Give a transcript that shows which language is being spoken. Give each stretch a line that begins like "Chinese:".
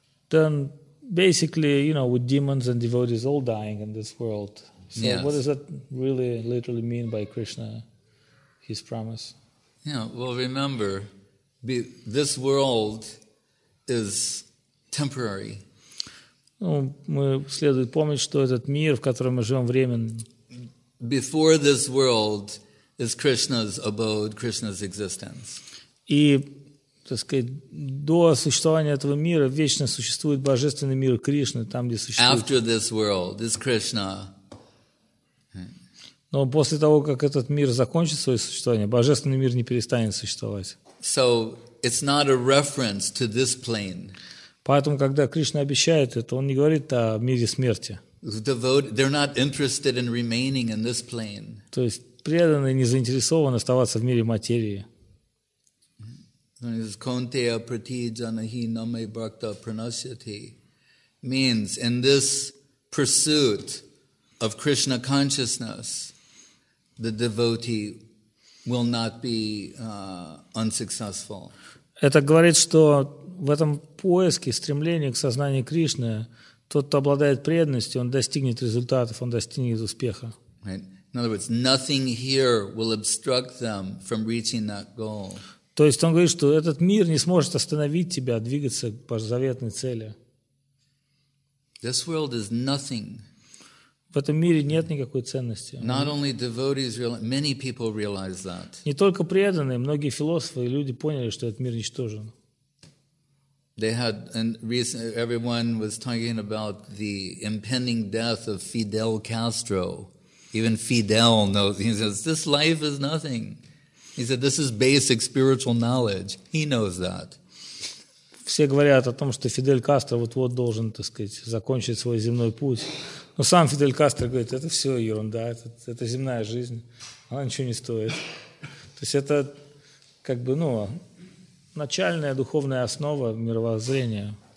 English: Then basically, you know, with demons and devotees all dying in this world. So yes. What does that really literally mean by Krishna, his promise? Yeah, well, remember, this world is temporary.
Russian: Ну, мы следует помнить, что этот мир, в котором мы живем, временен.
English: Before this world is Krishna's abode, Krishna's existence.
Russian: И, так сказать, до существования этого мира вечно существует божественный мир Кришны, там, где существует.
English: After this world is Krishna.
Russian: Но после того, как этот мир закончит свое существование, божественный мир не перестанет существовать.
English: So it's not a reference to this plane.
Russian: Поэтому, когда Кришна обещает это, он не говорит о мире смерти.
English: They're not interested in remaining in this plane.
Russian: То есть преданные не заинтересованы оставаться в мире материи.
Sanskrit: Kaunteya pratijanahi name bhakta pranasyati
English: means in this pursuit of Krishna consciousness, the devotee will not be unsuccessful.
Russian: Это говорит, что в этом поиске, стремлении к сознанию Кришны, тот, кто обладает преданностью, он достигнет результатов, он достигнет успеха.
English: Right. In other words, nothing here will obstruct them from reaching that goal.
Russian: То есть он говорит, что этот мир не сможет остановить тебя двигаться по заветной цели.
English: This world is nothing.
Russian: В этом мире нет никакой ценности.
English: Not only devotees, many people realize that.
Russian: Не только преданные, многие философы и люди поняли, что этот мир ничтожен.
English: They had, and recently everyone was talking about the impending death of Fidel Castro. Even Fidel knows. He says, "This life is nothing." He said, "This is basic spiritual knowledge." He knows that.
Russian: Все говорят о том, что Фидель Кастро вот-вот должен, так сказать, закончить свой земной путь. Но сам Фидель Кастро говорит, это все ерунда, это земная жизнь, она ничего не стоит. То есть это как бы, ну, начальная духовная основа мировоззрения.